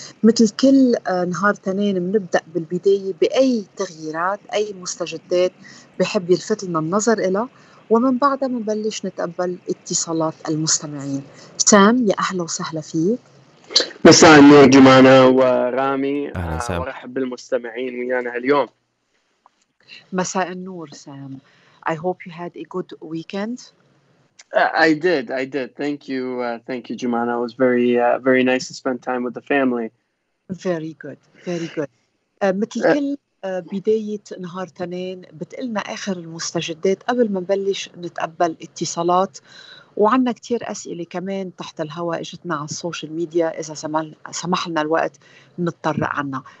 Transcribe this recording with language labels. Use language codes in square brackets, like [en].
[ar] مثل كل نهار تنين بنبدأ بالبداية بأي تغييرات، أي مستجدات بحب يلفت لنا النظر إلها، ومن بعدها منبلش نتقبل اتصالات المستمعين. سام، يا أهلا وسهلا فيك. مساء النور جمانة ورامي، ورحب بالمستمعين ويانا اليوم. مساء النور سام. [en] I hope you had a good weekend. I did. Thank you, Jumana. It was very nice to spend time with the family. Very good. [ar] مثل كل بداية نهار تنين بتقلنا آخر المستجدات قبل ما نبلش نتقبل اتصالات، وعنا كتير أسئلة كمان تحت الهواء اجتنا على السوشيال ميديا إذا سمح لنا الوقت نتطرق عنها.